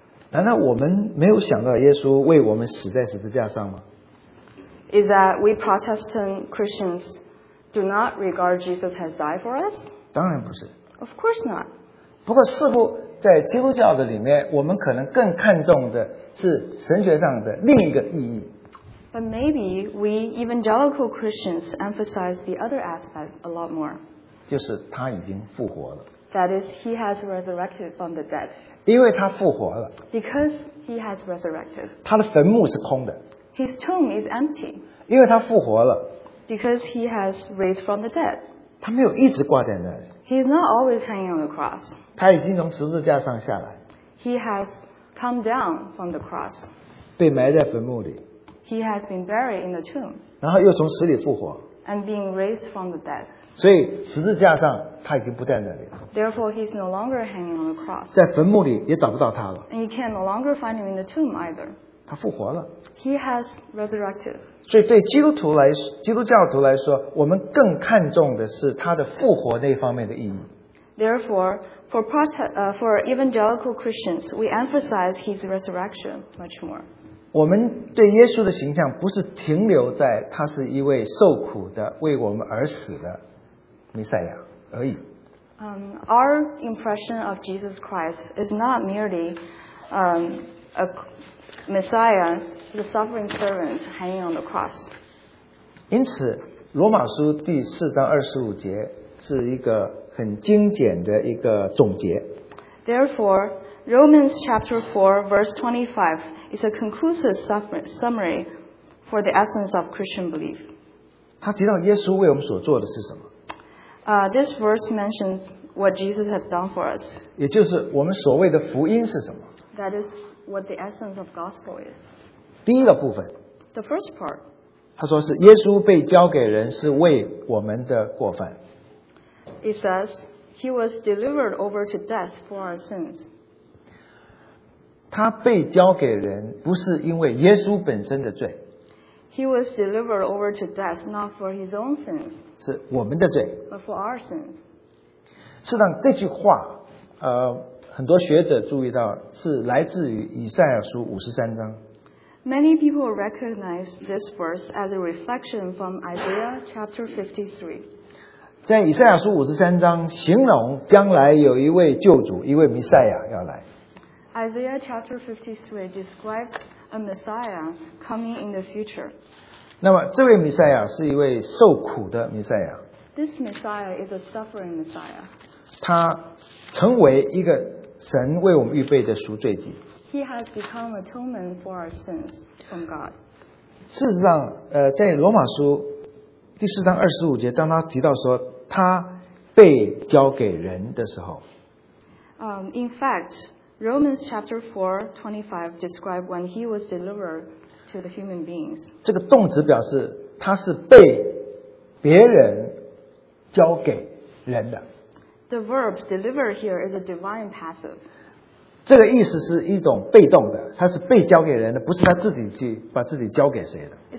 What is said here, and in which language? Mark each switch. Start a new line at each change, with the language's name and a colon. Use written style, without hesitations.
Chinese: 难道我们没有想到耶稣为我们死在十字架上吗？
English: Is that we Protestant Christians do not regard Jesus has died for us?
Chinese: 当然不是。
English: Of course not.
Chinese: 不过似乎在基督教的里面，我们可能更看重的是神学上的另一个意义。
English: But maybe we evangelical Christians emphasize the other aspect a lot more.
Chinese: 就是他已经复活了。
English: That is, he has resurrected from the dead.
Chinese: 因为他复活了。
English: Because he has resurrected.
Chinese: 他的坟墓是空的。
English: His tomb is empty.
Chinese: 因为他复活了。
English: Because he has raised from the dead.
Chinese: 他没有一直挂在那里。
English: He is not always hanging on the cross.
Chinese: 他已经从十字架上下来。
English: He has come down from the cross.
Chinese: 被埋在坟墓里。
English: He has been buried in the tomb.
Chinese: 然后又从死里复活。
English: And being raised from the dead.
Chinese: 所以十字架上他已经不在那里了。
English: Therefore, he is no longer hanging on the cross.
Chinese: 在坟墓里也找不到他了。
English: And you can no longer find him in the tomb either.
Chinese: 他复活了。
English: He has resurrected.
Chinese: 所以对基督徒来说，基督教徒来说，我们更看重的是他的复活那方面的意义。
English: Therefore, for evangelical Christians, we emphasize his resurrection much more.
Chinese: 我们对耶稣的形象不是停留在他是一位受苦的为我们而死的弥赛亚而已。
English: Our impression of Jesus Christ is not merely a Messiah, the suffering servant hanging on the cross.
Chinese: 因此，罗马书第四章二十五节是一个很精简的一个总结。
English: Therefore, Romans chapter 4, verse 25 is a conclusive summary for the essence of Christian belief.
Chinese: 他提到耶稣为我们所做的是什么？
English: This verse mentions what Jesus has done for us.
Chinese: 也就是我们所谓的福音是什么？
English: That is what the essence of gospel is.
Chinese: 第一个部分。
English: The first part.
Chinese: 他说是耶稣被交给人是为我们的过犯。
English: It says, he was delivered over to death for our sins.
Chinese: 他被交给人不是因为耶稣本身的罪。
English: He was delivered over to death not for his own sins.
Chinese: 是我们的罪。
English: But for our sins.
Chinese: 事实上这句话很多学者注意到是来自于以赛亚书五十三章。
English: Many people recognize this verse as a reflection from Isaiah chapter 53.
Chinese: 在以赛亚书五十三章形容将来有一位救主，一位弥赛亚要来。
English: Isaiah chapter 53 describes a Messiah coming in the future.
Chinese: 那么这位弥赛亚是一位受苦的弥赛亚。
English: This Messiah is a suffering Messiah.
Chinese: 他成为一个神为我们预备的赎罪祭。
English: He has become atonement for our sins from God.
Chinese: 事实上在罗马书第四章二十五节，当他提到说他被交给人的时候
English: ，In fact, Romans chapter 4:25 describe when he was delivered to the human beings.
Chinese: 这个动词表示他是被别人交给人的。
English: The verb deliver here is a divine passive.
Chinese: 这个意思是一种被动的，他是被交给人的，不是他自己去把自己交给谁的。